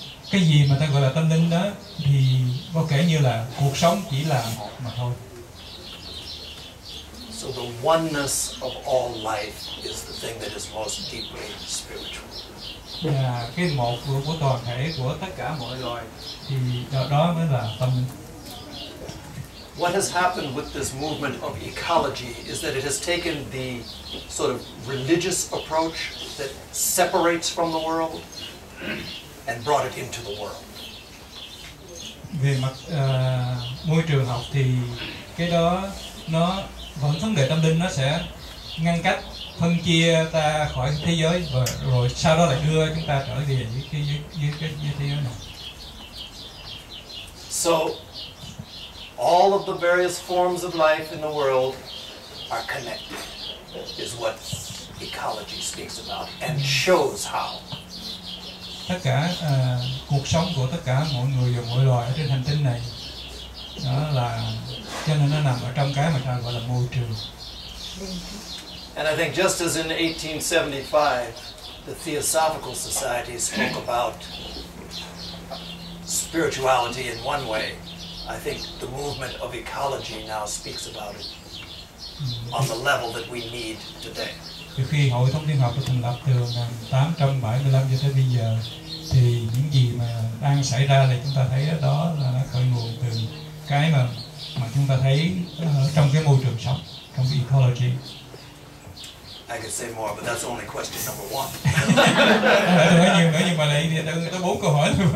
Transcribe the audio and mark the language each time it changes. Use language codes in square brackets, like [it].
[vi] Cái gì mà ta gọi là tâm linh đó thì có kể như là cuộc sống chỉ là một mà thôi. [en] So the oneness of all life is the thing that is most deeply spiritual. [vi] Và cái một của toàn thể của tất cả mọi loài thì đó mới là tâm linh. [en] What has happened with this movement of ecology is that it has taken the sort of religious approach that separates from the world and brought it into the world. [vi] Về mặt môi trường học thì cái đó nó vẫn vấn đề tâm linh, nó sẽ ngăn cách phân chia ta khỏi thế giới và rồi sau đó lại đưa chúng ta trở về với thế giới này. [en] So all of the various forms of life in the world are connected is what ecology speaks about and shows how. [vi] Tất cả cuộc sống của tất cả mọi người và mọi loài ở trên hành tinh này đó là cho nên nó nằm ở trong cái mà ta gọi là môi trường. [en] And I think just as in 1875 the Theosophical Society spoke about spirituality in one way, I think the movement of ecology now speaks about it on the level that we need today. [vi] Từ khi Hội Thông Thiên Học được thành lập từ 1875 cho tới bây giờ thì những gì mà đang xảy ra là chúng ta thấy đó là nó khởi nguồn từ cái mà chúng ta thấy trong cái môi trường sống, trong cái ecology. [en] I could say more, but that's only question number one. [vi] Nói nhiều nữa nhưng mà lại thì tôi có 4 câu hỏi.